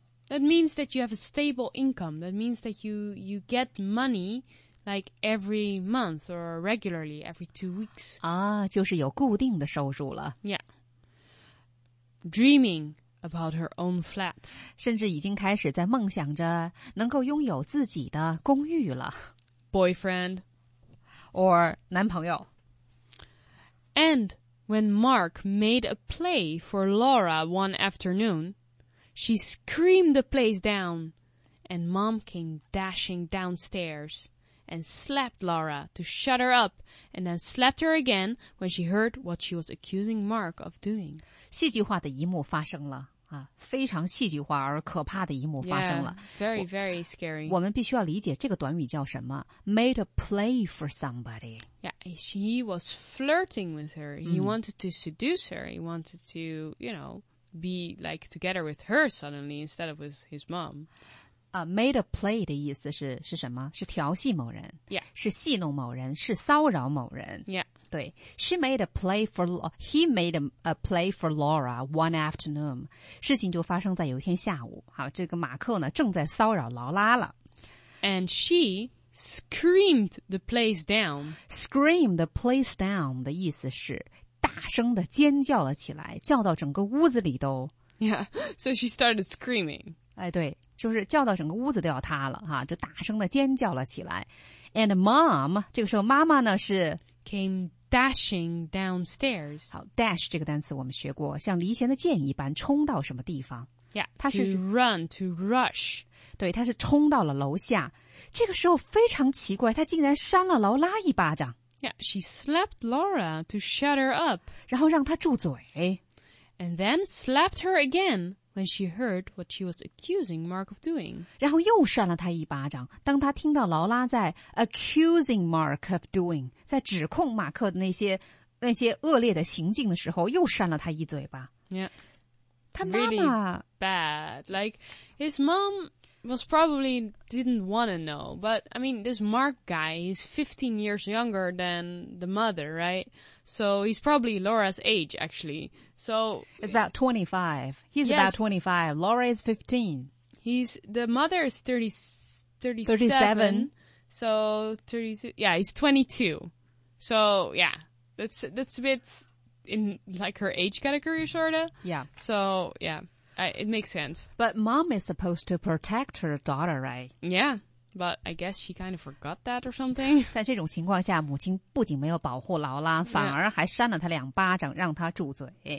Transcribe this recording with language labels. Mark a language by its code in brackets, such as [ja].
[en] That means that you have a stable income. That means that you get money like every month or regularly every 2 weeks. [zh] 啊，就是有固定的收入了。 [en] Yeah. Dreaming. About her own flat. [zh] 甚至已经开始在梦想着能够拥有自己的公寓了。 [en] Boyfriend. [zh] Or 男朋友。 [en] And when Mark made a play for Laura one afternoon, she screamed the place down, and Mom came dashing downstairs and slapped Laura to shut her up, and then slapped her again when she heard what she was accusing Mark of doing. [zh] 戏剧化的一幕发生了。啊，非常戏剧化而可怕的一幕发生了。 [en] Yeah, very, very scary. [zh] 我们必须要理解这个短语叫什么 ？ [en] Made a play for somebody. Yeah, he was flirting with her. He、mm. wanted to seduce her. He wanted to, you know, be like together with her suddenly instead of with his mom. Made a play [zh] 的意思是什么？是调戏某人。 [en] Yeah. [zh] 是戏弄某人，是骚扰某人。 [en] Yeah. 对 ，She made a play for he made a play for Laura one afternoon. [zh] 事情就发生在有一天下午。好，这个马克呢正在骚扰劳拉了。 [en] And she screamed the place down. Scream the place down [zh] 的意思是大声的尖叫了起来，叫到整个屋子里都。 [en] Yeah, so she started screaming. [zh] 哎，对，就是叫到整个屋子都要塌了哈，就大声的尖叫了起来。 [en] And mom, [zh] 这个时候妈妈呢是。 [en] Came dashing downstairs. [zh] 好 ，dash 这个单词我们学过，像离弦的箭一般冲到什么地方 [en] ？Yeah, [zh] 它是 [en] run to rush. [zh] 对，它是冲到了楼下。这个时候非常奇怪，他竟然扇了劳拉一巴掌。 [en] Yeah, she slapped Laura to shut her up. [zh] 然后让她住嘴。 [en] And then slapped her again when she heard what she was accusing Mark of doing. [zh] 然后又扇了她一巴掌，当她听到劳拉在 [en] accusing Mark of doing。 [zh] 在指控马克的那些恶劣的行径的时候，又扇了他一嘴巴。 [en] Yeah. [zh] 他妈妈、 [en] really、bad. Like his mom was probably didn't want to know, but I mean, this Mark guy is 15 years younger than the mother, right? So he's probably Laura's age, actually. So it's about 25. He's、yes. about 25. Laura is 15. He's the mother is 37. So 32. Yeah, he's 22. So, yeah, that's a bit in like her age category, sort of. Yeah. So, yeah, it makes sense. But mom is supposed to protect her daughter, right? Yeah, but I guess she kind of forgot that or something. [zh] 在这种情况下，母亲不仅没有保护劳拉，反而还扇了她两巴掌，让她住嘴。